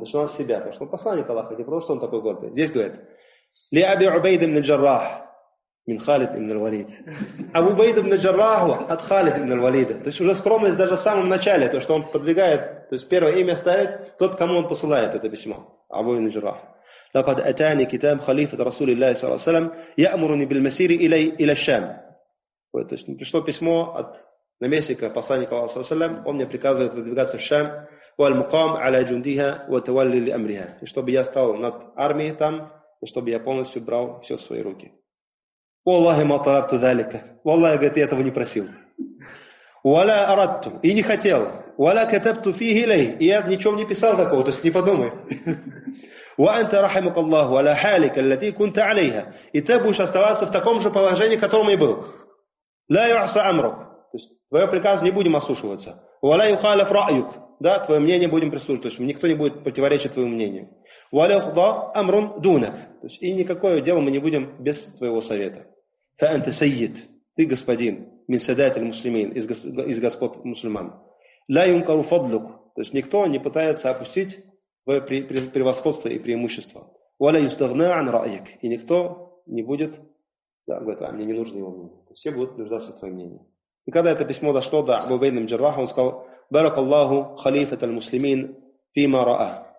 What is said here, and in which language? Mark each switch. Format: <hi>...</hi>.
<ru>Начинал с себя, потому что он посланник Аллаха, не просто он такой гордый. Здесь говорит, «Ли Аби Убайда ибн Джаррах, мин Халид ибн Валид». «Абу Убайда ибн Джарраху от Халид ибн Валида». То есть, уже скромность даже в самом начале, то, что он подвигает, то есть, первое имя ставит тот, кому он посылает это письмо. «Абу ибн Джарраху».</ru> <ar>لقد أتاني كتاب خليفة رسول الله صلى الله عليه وسلم يأمرني بالمسير إلى الشام.</ar> <ru>То есть пришло письмо от наместника посланника Аллаха صلى الله عليه وسلم. Он мне приказывает выдвигаться в Шам.</ru> <ar>والمقام على جنديها وتولي لأمرها.</ar> <ru>И чтобы я стал над армией там, и чтобы я полностью брал все в свои руки.</ru> <ar>والله ما طلبت ذلك.</ar> <ru>والله, говорит, я этого не просил.</ru> <ar>ولا أردت.</ar> <ru>И не хотел.</ru> <ar>ولا كتبت فيه إليه.</ar> <ru>И я ничего не писал такого. То есть не подумай.</ru> <ar>وأنت رحمك الله على حالك التي كنت عليها.</ar> <ru>И ты будешь оставаться в таком же положении, в котором и был.</ru> <ar>لا يعصى أمرك.</ar> <ru>То есть твоё приказ не будем ослушиваться.</ru> <ar>ولا يخالف رأيك.</ar> <ru>Да, твоё мнение будем прислушивать. То есть никто не будет противоречить твоему мнению.</ru> <ar>ولا يخضع أمر دونك.</ar> <ru>То есть и никакое дело мы не будем без твоего совета.</ru> <ar>فأنت سيد.</ar> <ru>Ты господин</ru> <ar>من سادات المسلمين.</ar> <ru>Из господ мусульман.</ru> <ar>لا ينكر فضلك.</ar> <ru>То есть никто не пытается опустить твое превосходство и преимущество.</ru> <ar>Валя юстагна ан раик.</ar> <ru>И никто не будет, да, говорит, а мне не нужно его мнение. Все будут нуждаться в твоем мнении. И когда это письмо дошло до Абу Убайда Джарраха, он сказал,</ru> <ar>барак Аллаху халифата аль-муслимин фима раа.</ar>